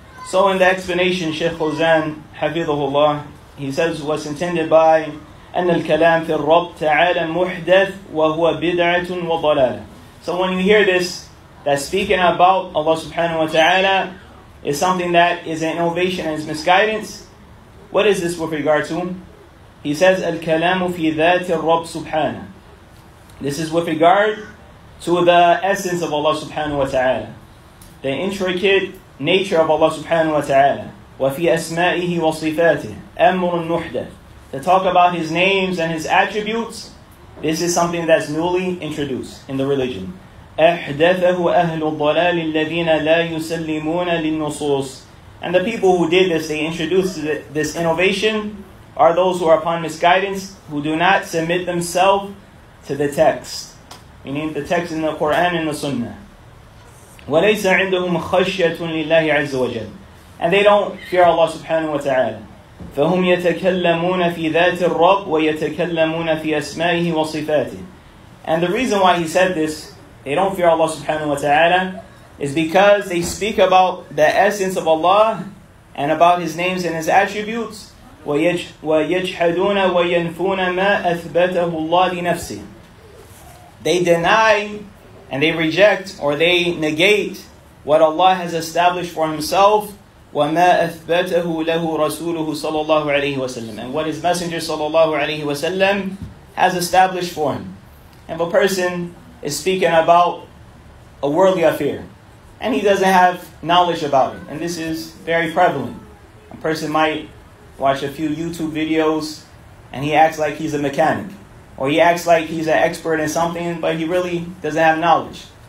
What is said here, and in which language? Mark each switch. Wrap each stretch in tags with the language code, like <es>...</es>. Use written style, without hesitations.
<en>So in the explanation, Shaykh Khuzan, Hafidhullah, he says what's intended by</en> <ar>أَنَّ الْكَلَامِ فِي الرَّبِّ تَعَالَى مُحْدَثْ وَهُوَ بِدْعَةٌ وَضَلَالَةٌ.</ar> <en>So when you hear this, that speaking about Allah subhanahu wa ta'ala is something that is an innovation and is misguidance, what is this with regard to? He says,</en> <ar>الْكَلَامُ فِي ذَاتِ الرَّبِّ سُبْحَانَهُ.</ar> <en>This is with regard to the essence of Allah subhanahu wa ta'ala, the intricate nature of Allah subhanahu wa ta'ala.</en> <ar>وَفِي أَسْمَائِهِ وَصِفَاتِهِ أَمْرٌ مُحْدَثٌ.</ar> <en>To talk about His names and His attributes, this is something that's newly introduced in the religion.</en> <ar>أَحْدَثَهُ أَهْلُ الضَّلَالِ الَّذِينَ لَا يُسَلِّمُونَ لِلنُّصُوصِ.</ar> <en>And the people who did this, they introduced this innovation, are those who are upon misguidance, who do not submit themselves to the text. Meaning the text in the Quran and the Sunnah.</en> <ar>وَلَيْسَ عِنْدَهُمْ خَشْيَةٌ لِلَّهِ عَزَّ وَجَلْ</ar> <en>And they don't fear Allah subhanahu wa ta'ala.</en> <ar>فَهُمْ يَتَكَلَّمُونَ فِي ذَاتِ الرَّبِّ وَيَتَكَلَّمُونَ فِي أَسْمَائِهِ وَصِفَاتِهِ</ar> <en>And the reason why he said this, they don't fear Allah subhanahu wa ta'ala, is because they speak about the essence of Allah and about His names and His attributes.</en> <ar>وَيَجْحَدُونَ وَيَنْفُونَ مَا أَثْبَتَهُ اللَّهِ لِنَفْسِهِ</ar> <en>They deny and they reject or they negate what Allah has established for Himself.</en> <ar>وَمَا أَثْبَتَهُ لَهُ رَسُولُهُ صَلَى اللَّهُ عَلَيْهِ وَسَلَّمَ</ar> <en>And what His Messenger</en> <ar>صَلَى اللَّهُ عَلَيْهِ وَسَلَّمَ</ar> <en>has established for Him. And if a person is speaking about a worldly affair, and he doesn't have knowledge about it, and this is very prevalent. A person might watch a few YouTube videos, and he acts like he's a mechanic, or he acts like he's an expert in something, but he really doesn't have knowledge.</en>